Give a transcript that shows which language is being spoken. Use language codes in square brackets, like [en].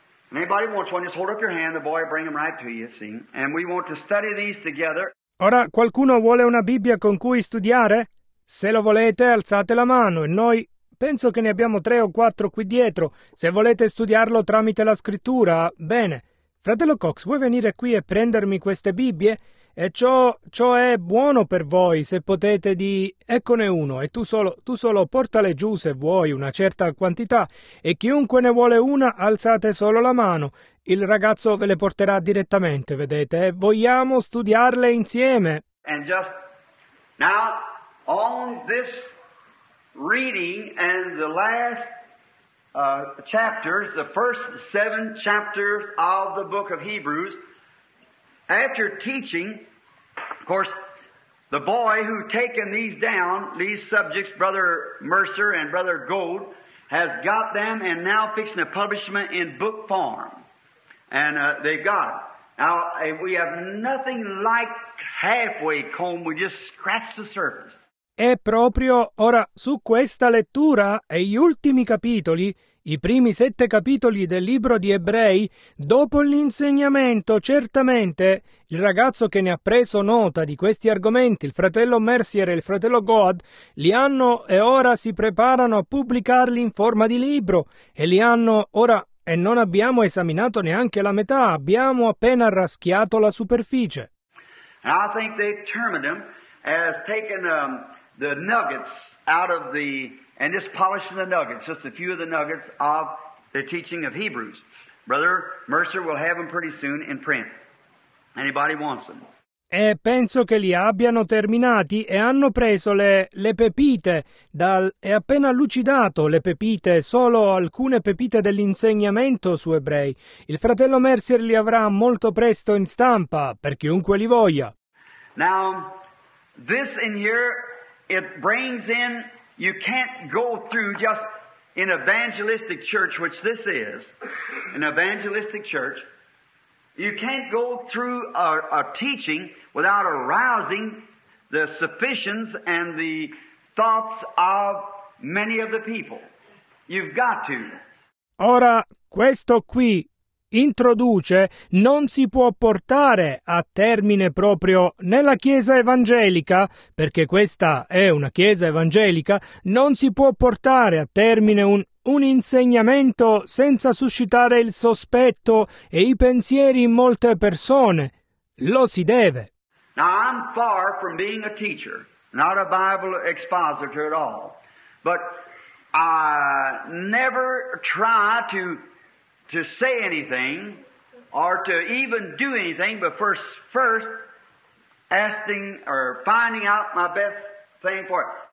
[en] And anybody wants one, just hold up your hand. The boy will bring them right to you, see? And we want to study these together. [it] Ora, qualcuno vuole una Bibbia con cui studiare? Se lo volete, alzate la mano e noi... Penso che ne abbiamo 3 o 4 qui dietro. Se volete studiarlo tramite la scrittura, bene. Fratello Cox, vuoi venire qui e prendermi queste Bibbie? E ciò è buono per voi, se potete di... Eccone uno, e tu solo portale giù se vuoi una certa quantità. E chiunque ne vuole una, alzate solo la mano. Il ragazzo ve le porterà direttamente, vedete? E vogliamo studiarle insieme. [en] And just... Now... On this reading and the last chapters, the first 7 chapters of the book of Hebrews, after teaching, of course, the boy who taken these down, these subjects, Brother Mercer and Brother Gold, has got them and now fixing a publishment in book form. And they've got it. Now, we have nothing like halfway comb. We just scratched the surface. [it] E proprio ora su questa lettura e gli ultimi capitoli, i primi 7 capitoli del libro di Ebrei, dopo l'insegnamento, certamente il ragazzo che ne ha preso nota di questi argomenti, il fratello Mercier e il fratello Goad, li hanno e ora si preparano a pubblicarli in forma di libro e li hanno ora e non abbiamo esaminato neanche la metà, abbiamo appena raschiato la superficie. [en] I think they termed them as taken the nuggets out of the, and just polishing the nuggets, just a few of the nuggets of the teaching of Hebrews. Brother Mercer will have them pretty soon in print. Anybody wants them? [it] E penso che li abbiano terminati e hanno preso le pepite dal, e appena lucidato le pepite, solo alcune pepite dell'insegnamento su Ebrei. Il fratello Mercer li avrà molto presto in stampa, per chiunque li voglia. [en] Now, this in here, it brings in, you can't go through just an evangelistic church, which this is, an evangelistic church. You can't go through a teaching without arousing the suspicions and the thoughts of many of the people. You've got to. [it] Ora, questo qui introduce, non si può portare a termine proprio nella Chiesa evangelica, perché questa è una Chiesa evangelica, non si può portare a termine un insegnamento senza suscitare il sospetto e i pensieri in molte persone. Lo si deve. [en] Now I'm far from being a teacher, not a Bible expositor at all, but I never try to say anything or to even do anything, but first asking or finding out my best thing for it.